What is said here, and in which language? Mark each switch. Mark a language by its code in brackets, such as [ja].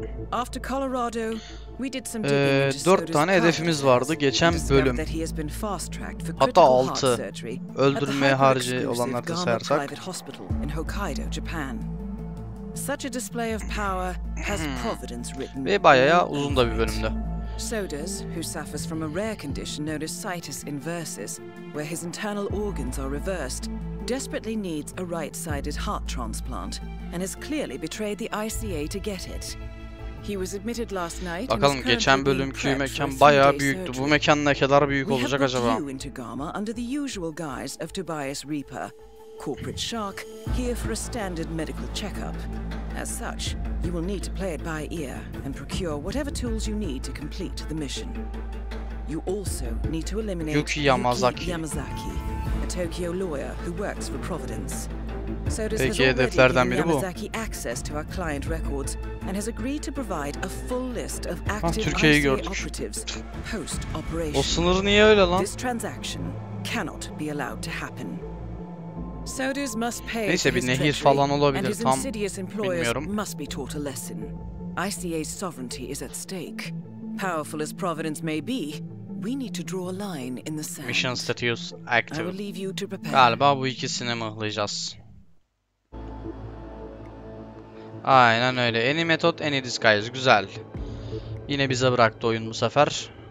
[en] After Colorado, we did some digging into Soders' [tr] 4 tane hedefimiz vardı geçen bölüm. Hatta 6. Öldürme harici olanları sayarsak. [en] Hokkaido, Japan. Such a display of power has providence written. [tr] Ve bayağı uzun da bir bölümdü. [en] Soders, who suffers from a rare condition known as situs inversus, where his internal organs are reversed, desperately needs a right-sided heart transplant and has clearly betrayed the ICA to get it. He was admitted last night. [tr] Bakalım geçen bölümkü mekan bayağı büyüktü. Bu mekan ne kadar büyük olacak acaba? [en] We have brought you into Gama under the usual guise of Tobias Reaper, corporate shark, here for a standard medical checkup. As such, you will need to play it by ear and procure whatever tools you need to complete the mission. You also need to eliminate Yuki Yamazaki. Yamazaki, a Tokyo lawyer who works for Providence. So does [tr] Peki, hedeflerden biri bu. [en] Yamazaki access to our client records and has agreed to provide a full list of active [tr] Türkiye'yi gördük. [en] Operatives post operation. [tr] O sınır niye öyle lan? [en] This transaction cannot be allowed to happen. Soders must pay. [tr] Neyse bir nehir falan olabilir tam bilmiyorum. [en] Must be taught a lesson. ICA's sovereignty is at stake. Powerful as Providence may be, we need to draw a line in the sand. Mission status active. I will leave you to prepare. [tr] Galiba bu ikisini mıhlayacağız. Aynen öyle. [en] Any method, any disguise. [tr] Güzel. Yine bize bıraktı oyun bu sefer.